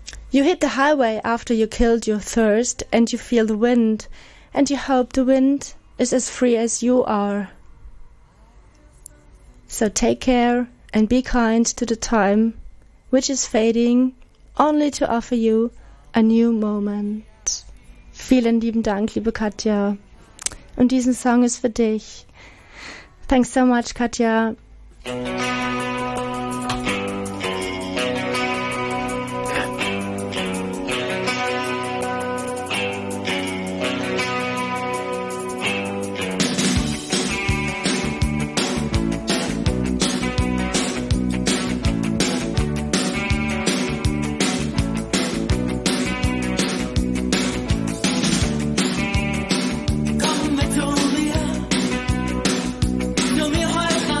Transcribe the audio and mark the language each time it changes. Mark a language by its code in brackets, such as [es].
[en] You hit the highway after you killed your thirst and you feel the wind and you hope the wind is as free as you are. So take care and be kind to the time which is fading only to offer you a new moment. [de] Vielen lieben Dank, liebe Katja. Und diesen Song ist für dich. [en] Thanks so much, Katja. Come with me, you'll be alright.